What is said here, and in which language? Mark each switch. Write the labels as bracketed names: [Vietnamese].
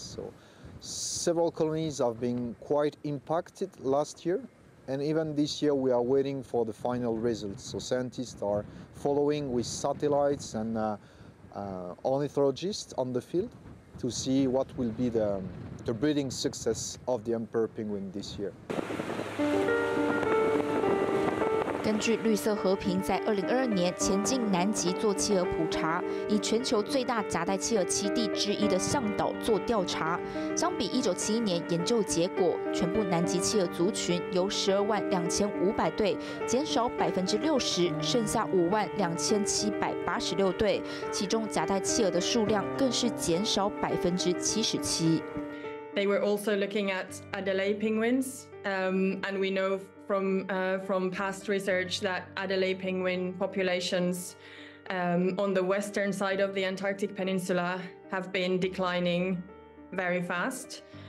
[English] So several colonies have been quite impacted last year, and even this year we are waiting for the final results. So scientists are following with satellites and ornithologists on the field to see what will be the breeding success of the emperor penguin this year. [Chinese] 根据绿色和平在2022年前进南极做企鹅普查，以全球最大夹带企鹅栖地之一的象岛做调查，相比1971年研究结果，全部南极企鹅族群由122,500对减少60%，剩下52,786对，其中夹带企鹅的数量更是减少77%。 [English] They were also looking at Adelaide penguins, and we know from past research that Adelaide penguin populations on the western side of the Antarctic Peninsula have been declining very fast.